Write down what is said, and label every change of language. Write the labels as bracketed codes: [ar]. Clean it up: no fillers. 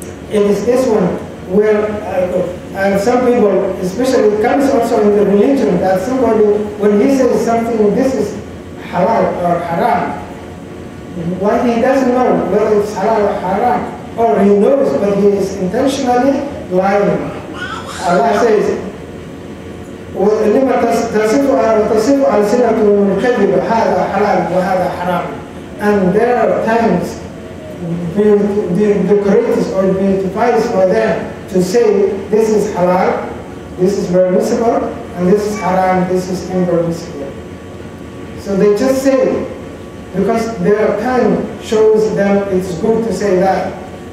[en] It is this one where and some people, especially it comes also in the religion, that somebody, when he says something, this is halal or haram, why he doesn't know whether it's halal or haram, or he knows but he is intentionally lying. Allah says, [ar] لِمَا تَصِفُ أَلْسِنَةُ الْكَذِبَ هَذَا حَلَالٌ وَهَذَا حَرَامٌ. [en] And there are times the greatest or beautifies for them to say this is halal, this is permissible, and this is haram, this is impermissible. So they just say, because their time shows them it's good to say that.